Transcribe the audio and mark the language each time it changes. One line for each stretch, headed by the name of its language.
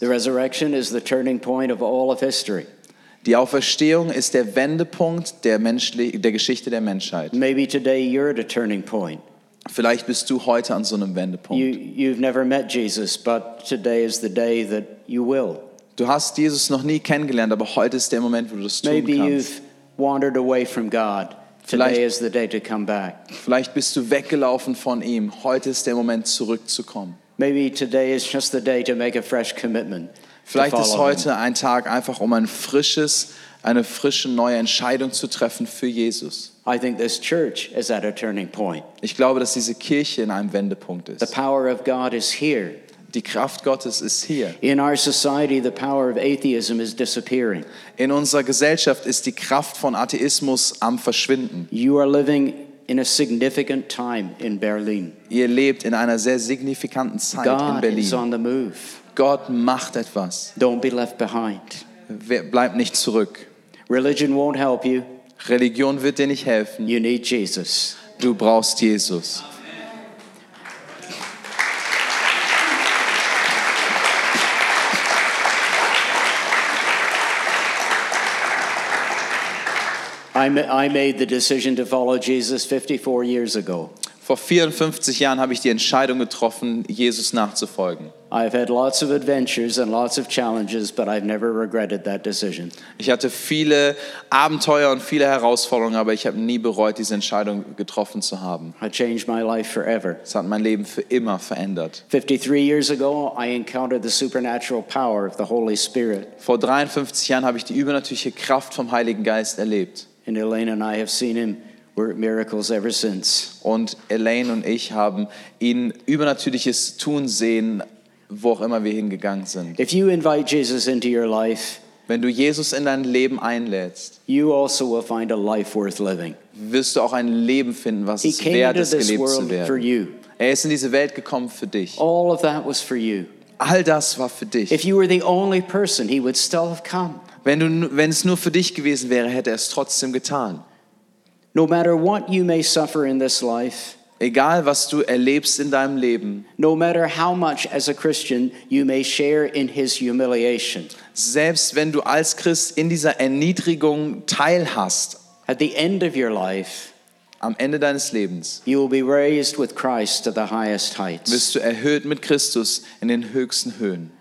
English: The resurrection is the turning point of all of history.
German: Die Auferstehung ist der Wendepunkt der Geschichte der Menschheit.
English: Maybe today you're at a turning point.
German: Vielleicht bist du heute an so einem Wendepunkt.
English: You've never met Jesus, but today is the day that you will.
German: Du hast Jesus noch nie kennengelernt, aber heute ist der Moment, wo du es tun kannst.
English: Maybe you've wandered away from God. Today is the day to come back.
German: Vielleicht bist du weggelaufen von ihm. Heute ist der Moment, zurückzukommen.
English: Maybe today is just the day to make a fresh commitment.
German: Vielleicht ist heute ein Tag einfach, um eine frische neue Entscheidung zu treffen für Jesus.
English: I think this church is at a turning point.
German: Ich glaube, dass diese Kirche in einem Wendepunkt ist.
English: The power of God is here.
German: Die Kraft Gottes ist hier.
English: In our society, the power of atheism is disappearing.
German: In unserer Gesellschaft ist die Kraft von Atheismus am Verschwinden.
English: You are living in a significant time in Berlin.
German: Ihr lebt in einer sehr signifikanten Zeit
English: God
German: in Berlin.
English: God is on the move.
German: Gott macht etwas.
English: Don't be left behind.
German: Bleib nicht zurück.
English: Religion won't help you.
German: Religion wird dir nicht helfen.
English: You need Jesus.
German: Du brauchst Jesus.
English: I made the decision to follow Jesus 54 years ago.
German: Vor 54 Jahren habe ich die Entscheidung getroffen, Jesus nachzufolgen.
English: I've had lots of adventures and lots of challenges, but I've never regretted that decision.
German: Ich hatte viele Abenteuer und viele Herausforderungen, aber ich habe nie bereut, diese Entscheidung getroffen zu haben.
English: I changed my life forever.
German: Es hat mein Leben für immer verändert.
English: 53 years ago, I encountered the supernatural power of the Holy Spirit.
German: Vor 53 Jahren habe ich die übernatürliche Kraft vom Heiligen Geist erlebt.
English: And Elaine and I have seen him work miracles ever since.
German: Und Elaine und ich haben ihn übernatürliches tun sehen. Wo auch immer wir hingegangen sind.
English: If you invite Jesus into your life,
German: wenn du Jesus in dein Leben einlädst,
English: you also will find a life worth living.
German: Wirst du auch ein Leben finden, was es wert ist, gelebt zu werden.
English: He came into this world for you.
German: Er ist in diese Welt gekommen für dich.
English: All of that was for you.
German: All das war für dich.
English: If you were the only person, he would still have come.
German: Wenn es nur für dich gewesen wäre, hätte er es trotzdem getan.
English: No matter what you may suffer in this life,
German: egal was du erlebst in deinem Leben,
English: no matter how much as a Christian you may share in his humiliation,
German: selbst wenn du als Christ in dieser Erniedrigung teilhast,
English: at the end of your life,
German: am Ende deines Lebens,
English: you will be raised with Christ to the highest heights,
German: wirst du erhöht mit Christus in den höchsten Höhen.